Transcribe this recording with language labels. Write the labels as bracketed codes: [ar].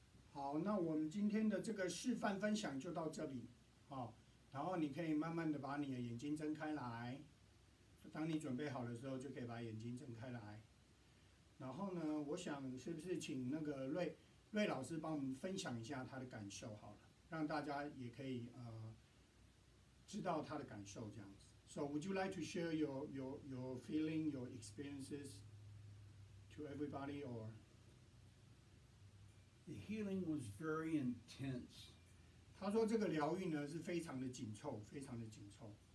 [zh] 好，那我们今天的这个示范分享就到这里，哦，然后你可以慢慢的把你的眼睛睁开来，当你准备好的时候就可以把眼睛睁开来。然后呢，我想是不是请那个瑞老师帮我们分享一下他的感受好了，让大家也可以知道他的感受这样子。 [en] So would you like to share your feeling, your experiences to everybody or... The healing was very intense. [zh] 他说这个疗愈呢是非常的紧凑，非常的紧凑。